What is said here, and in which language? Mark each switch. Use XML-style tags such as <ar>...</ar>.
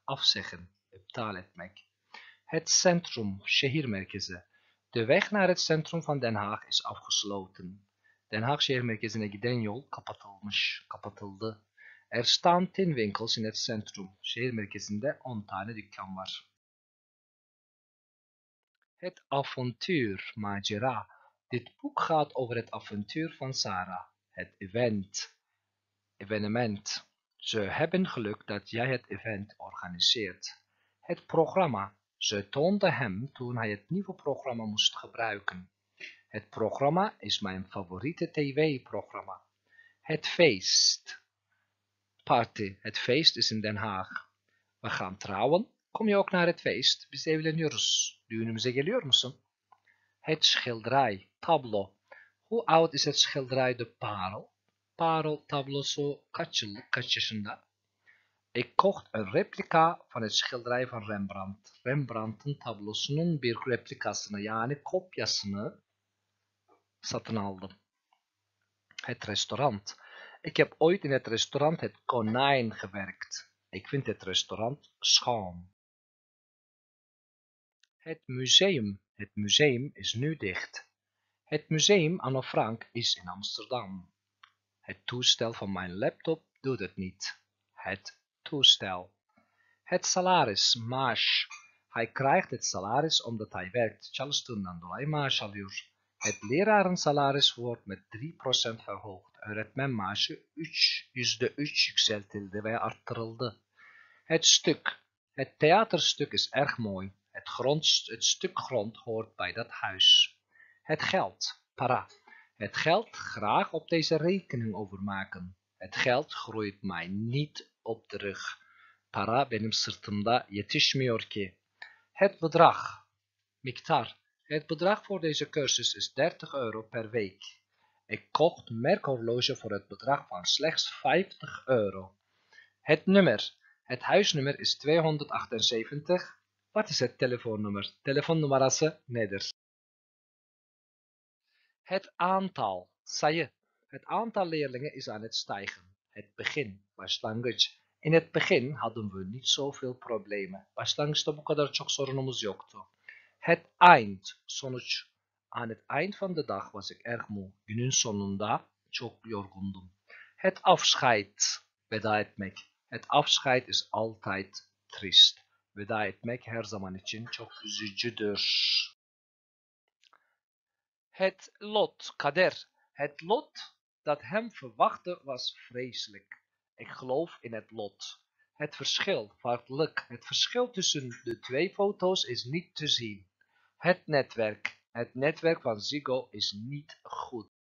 <tr>Afzeggen. İptal etmek. Het centrum. Şehir merkezi.</tr> <nl>De weg naar het centrum van Den Haag is afgesloten.</nl> <tr>Den Haag şehir merkezine giden yol kapatılmış. Kapatıldı.</tr> <nl>Er staan 10 winkels in het centrum.</nl> <tr>Şehir merkezinde 10 tane dükkan var.</tr> <nl>Het avontuur. Macera. Dit boek gaat over het avontuur van Sarah. Het event. Evenement. Ze hebben geluk dat jij het event organiseert. Het programma. Ze toonde hem toen hij het nieuwe programma moest gebruiken. Het programma is mijn favoriete tv-programma. Het feest. Party. Het feest is in Den Haag. We gaan trouwen. Kom je ook naar het feest?</nl> <tr>Biz evleniyoruz. Düğünümüze geliyor musun?</tr> <nl>Het schilderij. Tablo. Hoe oud is het schilderij de parel?</nl> <tr>Parel tablosu kaç yıllık, kaç yaşında?</tr> <nl>Ik kocht een replica van het schilderij van Rembrandt.</nl> <tr>Rembrandt'ın tablosunun bir replikasını, yani kopyasını satın aldım.</tr> <nl>Het restaurant. Ik heb ooit in het restaurant Het Konijn gewerkt. Ik vind het restaurant schoon. Het museum. Het museum is nu dicht. Het museum Anne Frank is in Amsterdam. Het toestel van mijn laptop doet het niet. Het toestel. Het salaris, maaş. Hij krijgt het salaris omdat hij werkt.</nl> <tr>Çalıştığından dolayı maaş alıyor.</tr> <nl>Het lerarensalaris wordt met 3% verhoogd.</nl> <tr>Öğretmen maaşı %3 yükseltildi veya arttırıldı.</tr> <nl>Het stuk. Het theaterstuk is erg mooi. Het stuk grond hoort bij dat huis. Het geld. Para. Het geld graag op deze rekening overmaken. Het geld groeit mij niet op de rug.</nl> <tr>Para benim sırtımda yetişmiyor ki.</tr> <nl>Het bedrag. Miktar. Het bedrag voor deze cursus is 30 euro per week. Ik kocht merkhorloge voor het bedrag van slechts 50 euro. Het nummer. Het huisnummer is 278. Wat is het telefoonnummer?</nl> <tr>Telefoonnummerası nedir?</tr> <nl>Het aantal. Sayı. Het aantal leerlingen is aan het stijgen. Het begin. Başlangıç. In het begin hadden we niet zoveel problemen.</nl> <tr>Başlangıçta bu kadar çok sorunumuz yoktu.</tr> <nl>Het eind. Sonuç. Aan het eind van de dag was ik erg moe.</nl> <tr>Günün sonunda çok yorgundum.</tr> <nl>Het afscheid. Veda etmek. Het afscheid is altijd triest.</nl> <tr>Veda etmek her zaman için çok üzücüdür.</tr> <nl>Het lot, kader. Het lot dat hem verwachtte was vreselijk. Ik geloof in het lot. Het verschil, farklık, het verschil tussen de twee foto's is niet te zien. Het netwerk van Ziggo is niet goed.</nl>